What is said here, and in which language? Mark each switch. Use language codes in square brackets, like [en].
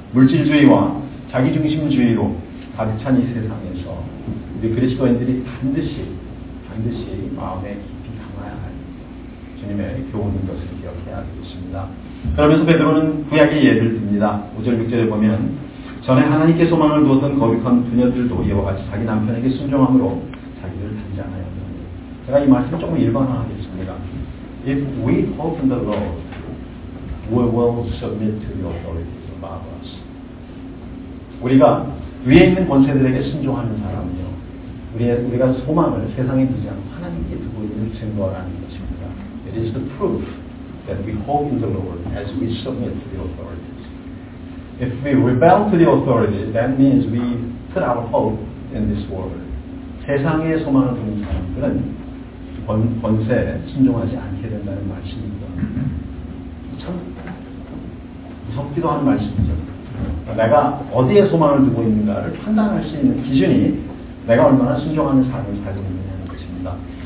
[ko] 물질주의와 자기중심주의로 가득 찬 이 세상에서 우리 그리스도인들이 반드시 마음에 깊이 담아야 할 주님의 교훈인 것을 기억해야 되겠습니다. 그러면서 베드로는 구약의 예를 듭니다. 5절 6절에 보면 전에 하나님께 소망을 두었던 거룩한 그녀들도 이와 같이 자기 남편에게 순종함으로 자기를 단장하였는데 제가 이 말씀 조금 일반화하겠습니다. [en] If we hope in the Lord, we will submit to the authorities above us. [ko] 우리가 위에 있는 권세들에게 순종하는 사람은요, 우리가 소망을 세상에 두지 않고 하나님께 두고 있는 증거라는 것입니다. [en] It is the proof that we hope in the Lord as we submit to the authorities. If we rebel to the authorities, that means we put our hope in this world. [ko] 세상에 소망을 두는 사람들은 권세에 순종하지 않게 된다는 말씀입니다. 참 무섭기도 하는 말씀이죠. 내가 어디에 소망을 두고 있는가를 판단할 수 있는 기준이 내가 얼마나 순종하는 삶을 살고 있느냐는 것입니다.